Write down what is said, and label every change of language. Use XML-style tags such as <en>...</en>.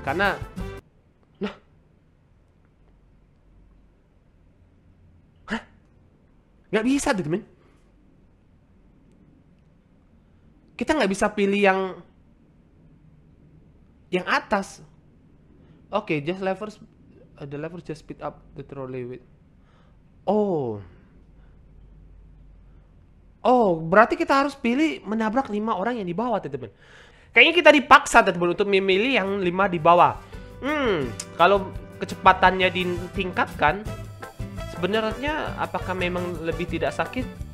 <id>Karena nggak bisa, teman. Kita nggak bisa pilih yang atas.</id> <en>Oke, okay, just levers, the levers just speed up the trolley with.</en> <id>Oh, berarti kita harus pilih menabrak 5 orang yang di bawah, teman. Kayaknya kita dipaksa, teman, untuk memilih yang 5 di bawah. Kalau kecepatannya ditingkatkan, sebenarnya apakah memang lebih tidak sakit?</id>